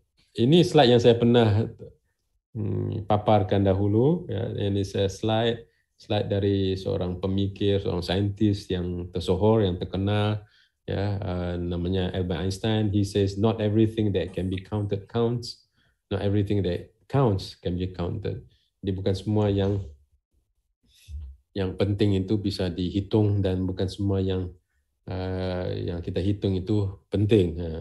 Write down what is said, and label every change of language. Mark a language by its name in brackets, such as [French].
[Malay] Ini slide yang saya pernah paparkan dahulu ya. Ini saya slide dari seorang pemikir, seorang saintis yang tersohor, yang terkenal ya, namanya Albert Einstein. [English] He says not everything that can be counted counts, not everything that counts can be counted. [Malay] Jadi bukan semua yang penting itu bisa dihitung, dan bukan semua yang kita hitung itu penting.